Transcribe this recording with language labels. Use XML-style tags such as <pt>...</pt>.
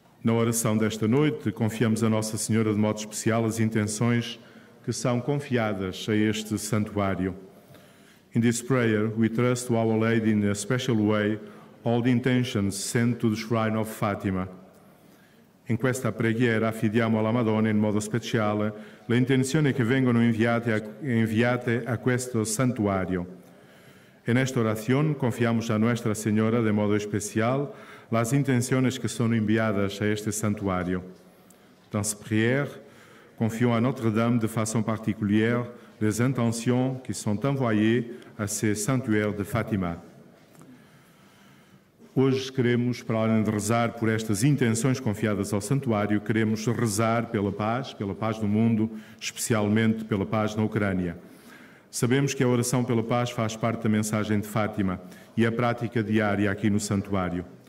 <pt>Oração desta noite, confiamos a Nossa Senhora de modo especial as intenções que são confiadas a este santuário.</pt> <en>In this prayer, we trust to Our Lady in a special way all the intentions sent to the Shrine of Fatima.</en> <it>In questa preghiera affidiamo alla Madonna in modo speciale le intenzioni che vengono inviate a questo santuario.</it> <es>En esta oración confiamos a Nuestra Señora de modo especial las intenciones que son enviadas a este santuario.</es> <fr>Dans cette prière, confions à Notre-Dame de façon particulière les intentions qui sont envoyées à ce sanctuaire de Fátima.</fr> <pt>Hoje queremos, para além de rezar por estas intenções confiadas ao santuário, queremos rezar pela paz do mundo, especialmente pela paz na Ucrânia. Sabemos que a oração pela paz faz parte da mensagem de Fátima e a prática diária aqui no santuário.</pt>